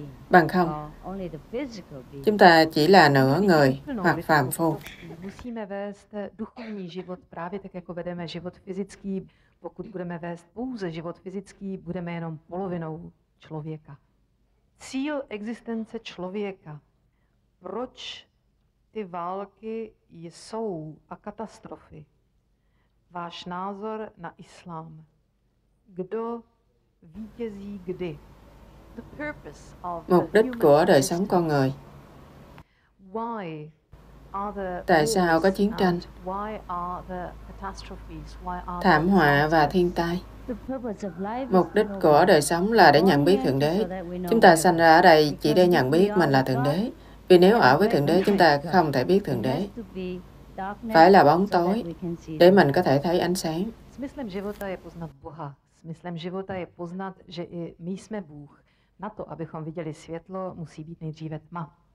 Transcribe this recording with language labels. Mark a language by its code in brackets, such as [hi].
[vi] Bằng không, chúng ta chỉ là nửa người hoặc phàm phu. [cs] Musíme vést duchovní život právě tak, jako vedeme život fyzický. Pokud budeme vést pouze život fyzický, budeme jenom polovinou člověka. Cíl existence člověka. Proč ty války jsou a katastrofy? Váš názor na islám. Kdo vítězí kdy? [en] The purpose of the [vi] mục đích của đời sống con người. [en] Why are the [vi] Tại sao có chiến tranh? [en] Why are the catastrophes? Why are the [vi] thảm họa và thiên tai? Mục đích của đời sống là để nhận biết Thượng Đế. Chúng ta sanh ra ở đây chỉ để nhận biết mình là Thượng Đế. Vì nếu ở với Thượng Đế, chúng ta không thể biết Thượng Đế. Phải là bóng tối để mình có thể thấy ánh sáng. [cs] Smyslem života je poznat Boha. Smyslem života je poznat, že i my jsme Bůh. Na to, abychom viděli světlo, musí být nejdříve tma.